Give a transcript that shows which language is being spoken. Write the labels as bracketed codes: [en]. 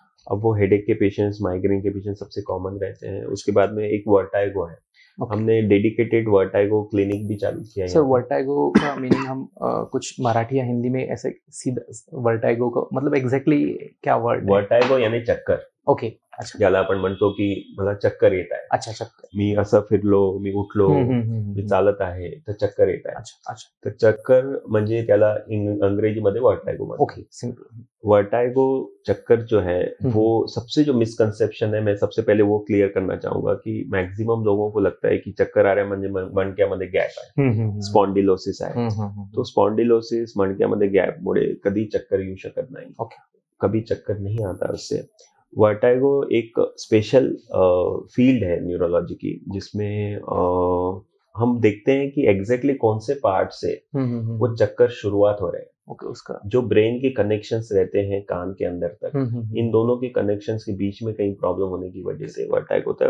[hi] अब वो हेडेक के पेशेंट्स, माइग्रेन के पेशेंट सबसे कॉमन रहते हैं. उसके बाद में एक वर्टाइगो है. [en] Okay. [hi] हमने डेडिकेटेड वर्टाइगो क्लिनिक भी चालू किया है. सर वर्टाइगो का मीनिंग हम कुछ मराठी या हिंदी में ऐसे सीधा वर्टाइगो का मतलब एग्जैक्टली क्या वर्ड? वर्टाइगो यानी चक्कर. ओके okay, अच्छा. [mr] ज्यादा अपन म्हणतो की मला चक्कर येत आहे. [hi] अच्छा, चक्कर. [mr] मी असं फिरलो, मी उठलो, मी चालत आहे, तर चक्कर येत आहे. [hi] अच्छा, अच्छा. [mr] तर चक्कर म्हणजे त्याला अंग्रेजी मध्ये वर्टाइगो म्हणतात. [en] Okay, simple. [hi] वर्टाइगो चक्कर जो है वो सबसे जो मिसकंसेप्शन है, मैं सबसे पहले वो क्लियर करना चाहूंगा कि मैक्सिमम लोगों को लगता है कि चक्कर आ रहा है [mr] मणक्या मध्ये गैप आहे, स्पॉन्डिलोसिस आहे. तो स्पॉन्डिलोसिस मणक्या मध्ये गैप मुळे कधी चक्कर येऊ शकत नाही. [en] okay, [hi] कभी चक्कर नहीं आता उससे. वर्टाइगो एक स्पेशल फील्ड है न्यूरोलॉजी की, जिसमें हम देखते हैं कि एग्जैक्टली कौन से पार्ट से वो चक्कर शुरुआत हो रहे हैं. ओके उसका जो ब्रेन के कनेक्शंस रहते हैं कान के अंदर तक, इन दोनों के कनेक्शंस के बीच में कहीं प्रॉब्लम होने की वजह से वर्टिगो होता है।